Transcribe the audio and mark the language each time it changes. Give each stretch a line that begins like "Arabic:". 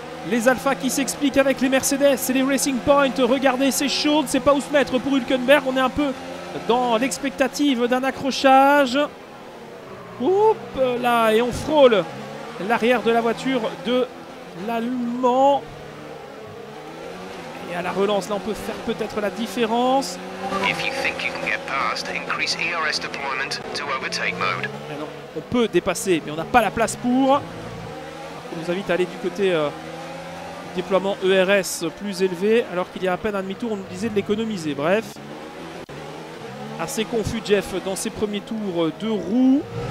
French: Les Alpha qui s'expliquent avec les Mercedes et les Racing Point. Regardez, c'est chaud, c'est pas où se mettre pour Hülkenberg. On est un peu dans l'expectative d'un accrochage. Oups, là, et on frôle l'arrière de la voiture de l'Allemand. Et à la relance, là, on peut faire peut-être la différence.
English: If you think you can get past, increase ERS deployment to overtake mode.
French: Mais non, on peut dépasser, mais on n'a pas la place pour. On nous invite à aller du côté déploiement ERS plus élevé, alors qu'il y a à peine un demi-tour, on nous disait de l'économiser. Bref, assez confus, Jeff, dans ses premiers tours de roue.